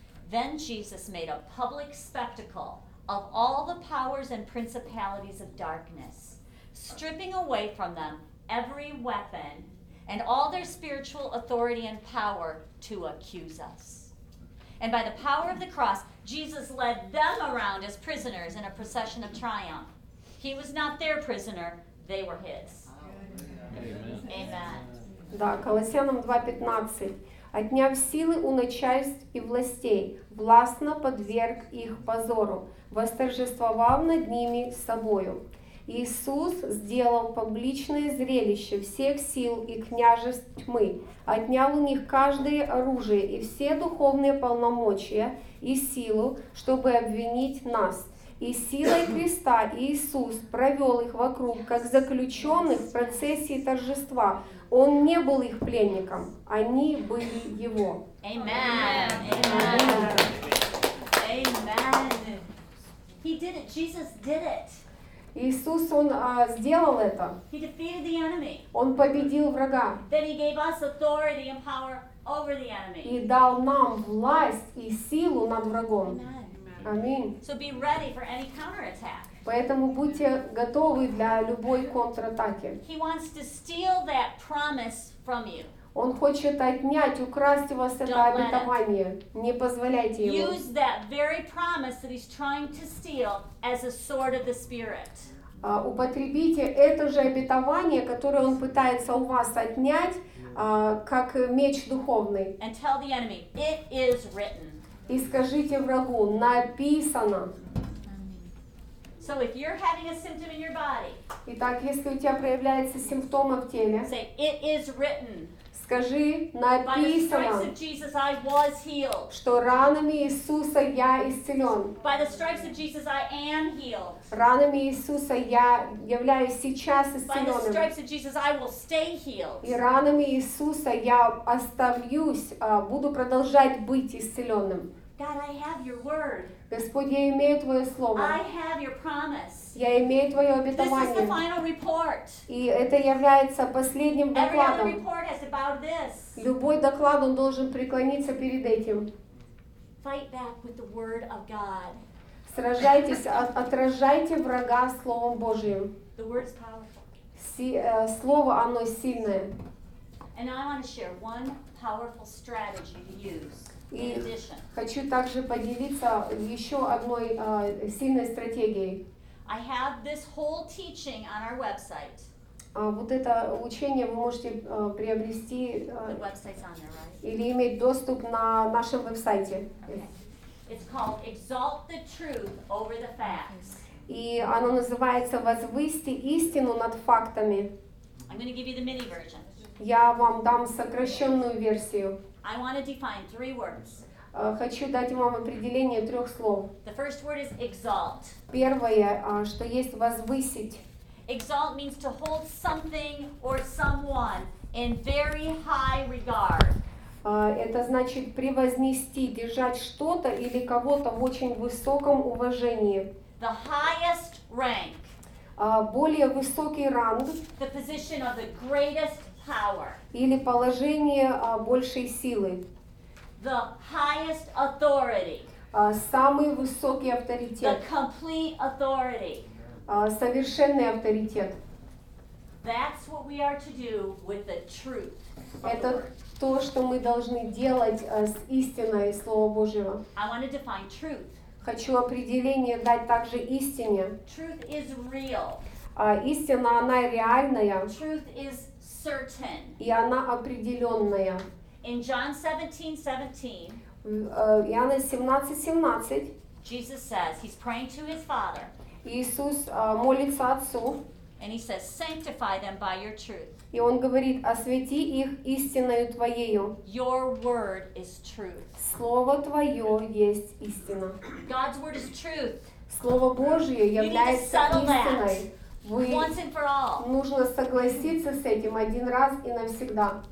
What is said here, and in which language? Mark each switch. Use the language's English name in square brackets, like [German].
[English] Then Jesus made a public spectacle of all the powers and principalities of darkness, stripping away from them every weapon and all their spiritual authority and power to accuse us. And by the power of the cross, Jesus led them around as prisoners in a procession of triumph. He was not their prisoner, they were his. Amen. Amen. [Russian] Да, Колоссянам 2:15. Отняв силы у начальств и властей, властно подверг их позору, восторжествовав над ними собою. Иисус сделал публичное зрелище всех сил и княжеств тьмы, отнял у них каждое оружие и все духовные полномочия и силу, чтобы обвинить нас. И силой креста Иисус провел их вокруг, как заключенных в процессе торжества. Он не был их пленником, они были его. [English] Amen. Amen. Amen. He did it. Jesus did it. [Russian] Иисус, он сделал это. [English] He defeated the enemy. [Russian] Он победил врага. [English] Then he gave us authority and power over the enemy. [Russian] И дал нам власть и силу над врагом. [English] Amen. [Russian] Аминь. [English] So be ready for any counterattack. [Russian] Поэтому будьте готовы для любой контратаки. [English] He wants to steal that promise from you. [Russian] Он хочет отнять, украсть у вас [English] Don't [Russian] это обетование. Не позволяйте ему. [English] Use that very promise that he's trying to steal as a sword of the Spirit. [Russian] Употребите это же обетование, которое он пытается у вас отнять, как меч духовный. [English] And tell the enemy, it is written. [Russian] И скажите врагу, написано. [English] So if you're having a symptom in your body, [Russian] Итак, если у тебя проявляются симптомы в теле, [English] say, it is written, [Russian] скажи, написано, [English] by the stripes of Jesus, I was healed. [Russian] Что ранами Иисуса я исцелен. [English] By the stripes of Jesus, I am healed. [Russian] Ранами Иисуса я являюсь сейчас исцеленным. [English] By the stripes of Jesus, I will stay healed. [Russian] И ранами Иисуса я остаюсь, буду продолжать быть исцеленным. [English] God, I have your word. [Russian] Господь, я имею Твое Слово. [English] I have your promise. [Russian] Я имею Твое обетование. [English] This is the final report. [Russian] И это является последним докладом. [English] Every other report has to bow to this. [Russian] Любой доклад, он должен преклониться перед этим. [English] Fight back with the word of God. [Russian] Сражайтесь, отражайте врага Словом Божьим. [English] The word's powerful. [Russian] Слово, оно сильное. [English] And I want to share one powerful strategy to use. [Russian] И хочу также поделиться еще одной сильной стратегией. [English] I have this whole teaching on our website. [Russian] Вот это учение вы можете приобрести или иметь доступ на нашем веб-сайте. [English] Okay. It's called Exalt the Truth Over the Facts. [Russian] И оно называется «Возвысьте истину над фактами». [English] I'm going to give you the mini version. [Russian] Я вам дам сокращенную версию. [English] I want to define three words. [Russian] Хочу дать вам определение трех слов. [English] The first word is exalt. [Russian] Первое, что есть возвысить. [English] Exalt means to hold something or someone in very high regard. [Russian] Это значит превознести, держать что-то или кого-то в очень высоком уважении. [English] The highest rank. [Russian] Более высокий ранг. [English] The position of the greatest power. [Russian] Или положение большей силы. [English] The highest authority. [Russian] Самый высокий авторитет. [English] The complete authority. [Russian] Совершенный авторитет. [English] That's what we are to do with the truth. [Russian] Это то, что мы должны делать с истиной Слова Божьего. [English] I want to define truth. [Russian] Хочу определение дать также истине. [English] Truth is real. [Russian] Истина, она реальная. [English] Truth is certain. [Russian] И она определенная. [English] In John 17:17, [Russian] Иоанна 17:17, [English] Jesus says, he's praying to his Father. [Russian] Иисус молится Отцу. [English] And he says, sanctify them by your truth. [Russian] И он говорит, освяти их истиною твоею. [English] Your word is truth. [Russian] Слово твое есть истина. [English] God's word is truth. [Russian] Слово Божье является истиной. Вы [English] once and for all. [Russian] Нужно согласиться с этим один раз и навсегда.